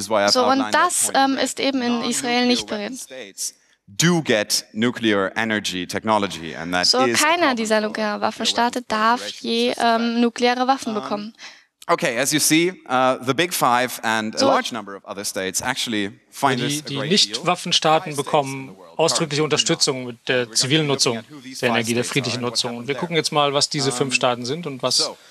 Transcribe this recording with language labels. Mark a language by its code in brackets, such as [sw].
[de] So, und das ist eben in Israel nicht drin. [en] Do get nuclear energy technology, and that so is [de] keiner dieser nuklearen Waffenstaaten darf je nukleare Waffen bekommen. [en] Okay, as you see, the Big Five and a large number of other states actually find this a great deal. [de] Die Nicht-Waffenstaaten bekommen ausdrückliche Unterstützung mit der zivilen Nutzung der Energie, der friedlichen Nutzung. Und wir gucken jetzt mal, was diese 5 Staaten sind und was.